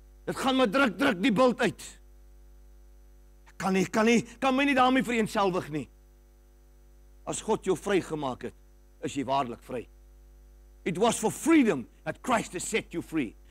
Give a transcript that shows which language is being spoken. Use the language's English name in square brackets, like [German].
[Afrikaans] Dit gaan maar druk die bult uit. Kan my nie daarmee vereenselwig nie. As God jou vry gemaak het, is jy waarlik vry. [English] It was for freedom that Christ has set you free.